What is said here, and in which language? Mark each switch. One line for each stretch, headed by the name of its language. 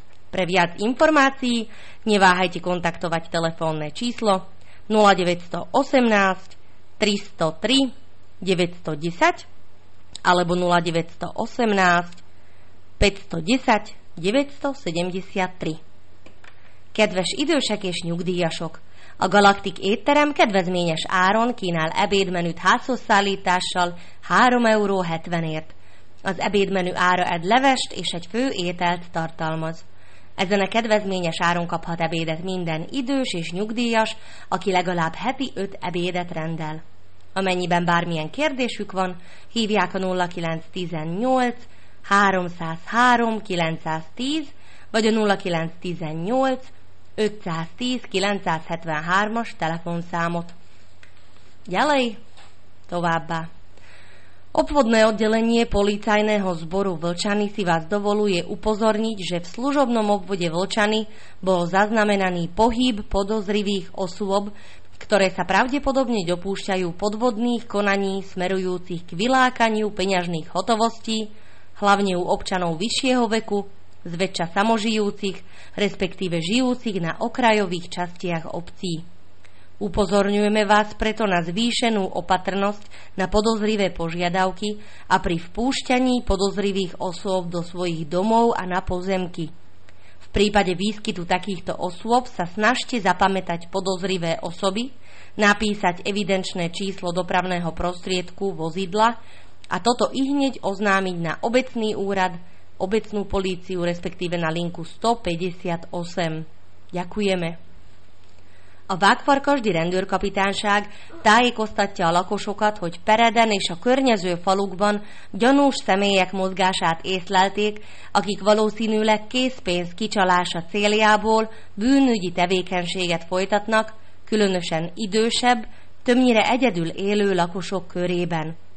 Slovak: Pre viac informácií neváhajte kontaktovať telefónne číslo 0918 303 910 alebo 0918 510 973.
Hungarian: Kedves idősek és nyugdíjasok! A Galaktik étterem kedvezményes áron kínál ebédmenüt házhozszállítással 3,70 eurért. Az ebédmenü ára egy levest és egy fő ételt tartalmaz. Ezen a kedvezményes áron kaphat ebédet minden idős és nyugdíjas, aki legalább heti 5 ebédet rendel. Amennyiben bármilyen kérdésük van, hívják a 0918 303 910 vagy a 0918 510 973-as telefonszámot.
Slovak: Ďalej, továbbá. Obvodné oddelenie policajného zboru Vlčany si vás dovoluje upozorniť, že v služobnom obvode Vlčany bol zaznamenaný pohyb podozrivých osôb, ktoré sa pravdepodobne dopúšťajú podvodných konaní smerujúcich k vylákaniu peňažných hotovostí, hlavne u občanov vyššieho veku, zväčša samožijúcich, respektíve žijúcich na okrajových častiach obcí. Upozorňujeme vás preto na zvýšenú opatrnosť na podozrivé požiadavky a pri vpúšťaní podozrivých osôb do svojich domov a na pozemky. V prípade výskytu takýchto osôb sa snažte zapamätať podozrivé osoby, napísať evidenčné číslo dopravného prostriedku vozidla a toto ihneď oznámiť na obecný úrad, obecnú políciu, respektíve na linku 158. Ďakujeme.
Hungarian: A Vágfarkasdi rendőrkapitányság tájékoztatja a lakosokat, hogy Pereden és a környező falukban gyanús személyek mozgását észlelték, akik valószínűleg készpénz kicsalása céljából bűnügyi tevékenységet folytatnak, különösen idősebb, többnyire egyedül élő lakosok körében.